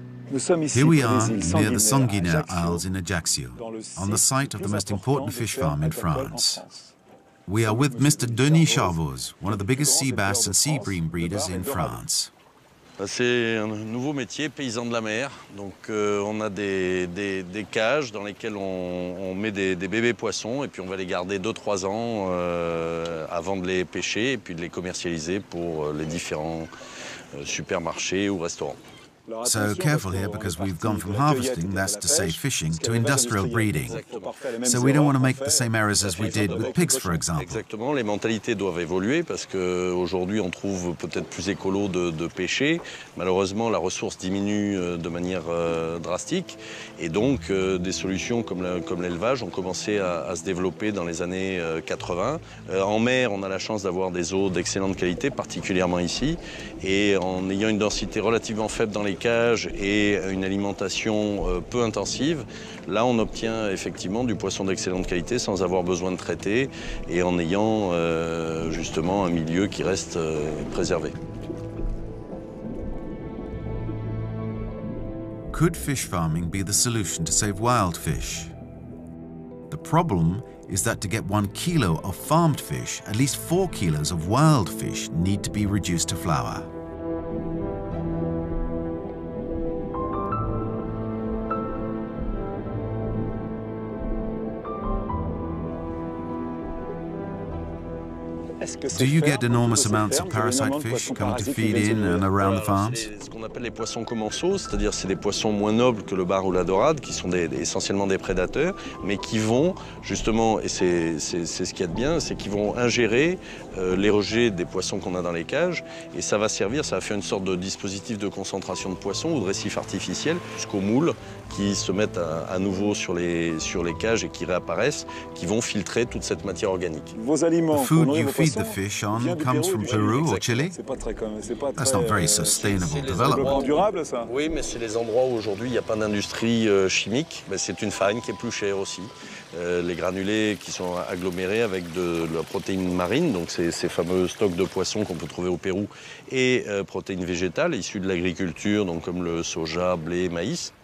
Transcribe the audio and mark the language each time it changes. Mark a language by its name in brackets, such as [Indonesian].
[English] Here we are near the Sanguinaire Isles in Ajaccio, on the site of the most important fish farm in France. We are with Mr. Denis Charvoz, one of the biggest sea bass and sea bream breeders in France. [French] C'est un nouveau métier, paysan de la mer. Donc on a des cages dans lesquelles on met des bébés poissons et puis on va les garder 2-3 ans avant de les pêcher et puis de les commercialiser pour les différents supermarchés ou restaurants. [English] So careful here because we've gone from harvesting, that's to say fishing, to industrial breeding. So we don't want to make the same errors as we did with pigs, for example. [French] Exactement, les mentalités doivent évoluer parce qu'aujourd'hui on trouve peut-être plus écolo de pêcher. Malheureusement, la ressource diminue de manière drastique. Et donc, des solutions comme l'élevage ont commencé à se développer dans les années 80. En mer, on a la chance d'avoir des eaux d'excellente qualité, particulièrement ici. Et en ayant une densité relativement faible dans les cages et une alimentation peu intensive, là on obtient effectivement du poisson d'excellente qualité sans avoir besoin de traiter et en ayant justement un milieu qui reste préservé. [English] Could fish farming be the solution to save wild fish? The problem is that to get 1 kilo of farmed fish, at least 4 kilos of wild fish need to be reduced to flour. Do you get enormous amounts of parasite fish coming to feed in and around the farms? [French] Ce qu'on appelle les poissons commensaux, c'est-à-dire c'est des poissons moins nobles que le bar ou la dorade, qui sont essentiellement des prédateurs, mais qui vont justement, et c'est ce qu'il y a de bien, c'est qu'ils vont ingérer les rejets des poissons qu'on a dans les cages, et ça va servir, ça va faire une sorte de dispositif de concentration de poissons ou de récif artificiel jusqu'aux moules qui se mettent à nouveau sur les cages et qui réapparaissent, qui vont filtrer toute cette matière organique. Vos aliments, [English] the food you feed the fish on comes from Peru or Chile? That's not very sustainable development. [French] Durable, ça. Oui, mais c'est les endroits où aujourd'hui il n'y a pas d'industrie chimique, mais c'est une farine qui est plus chère aussi. Les granulés qui sont agglomérés avec de la protéine marine, donc ces fameux stocks de poissons qu'on peut trouver au Pérou, et protéines végétales issues de l'agriculture, donc comme le soja, blé, maïs.